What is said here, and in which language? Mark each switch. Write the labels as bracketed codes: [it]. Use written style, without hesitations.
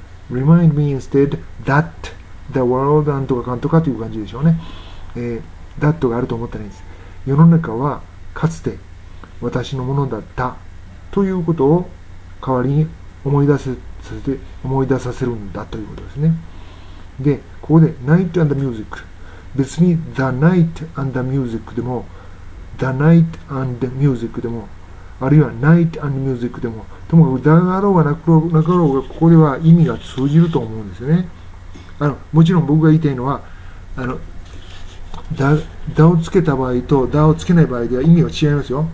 [en] Remind me instead that the world [ja] なんとかかんとかという感じでしょうね。 that があると思ってないんです。世の中はかつて私のものだったということを代わりに思い出させるんだということですね。で、ここで [en] night and the music。 [ja] 別に [en] the night and the music [ja] でも、the [en] night and the music [ja] でも、あるいは night and the music でも、ともかくだがろうがなかろうが、ここでは意味が通じると思うんですよね。あの、もちろん僕が言いたいのは、あの、だをつけた場合とだをつけない場合では意味は違いますよ。